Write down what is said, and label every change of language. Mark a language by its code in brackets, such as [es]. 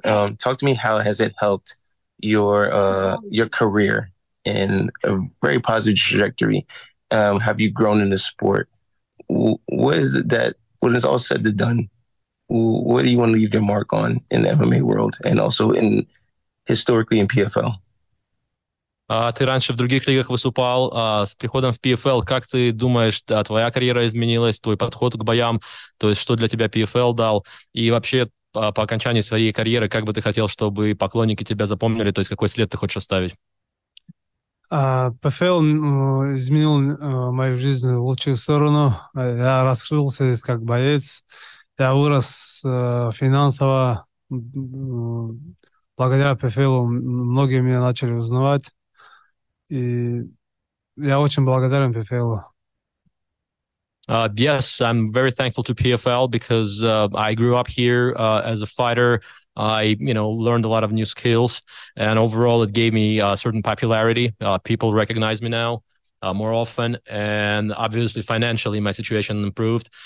[en] Talk to me, how has it helped your career? In a very positive trajectory, have you grown in the sport? What is it that, when it's all said and done, what do you want to leave your mark on in the MMA world and also in historically in PFL? [ru] Ты раньше в других лигах выступал, с приходом в PFL, как ты думаешь, да, твоя карьера изменилась, твой подход к боям, то есть что для тебя PFL дал, и вообще по окончании своей карьеры, как бы ты хотел, чтобы поклонники тебя запомнили, то есть какой след ты хочешь оставить? PFL изменил мою жизнь в лучшую сторону. Я раскрылся здесь как боец. Я вырос финансово. Благодаря PFL многие меня начали узнавать. И я очень благодарен PFL. [en] Yes, I'm very thankful to PFL because I grew up here as a fighter. I, you know, learned a lot of new skills, and overall, it gave me a certain popularity. People recognize me now more often, and obviously, financially, my situation improved.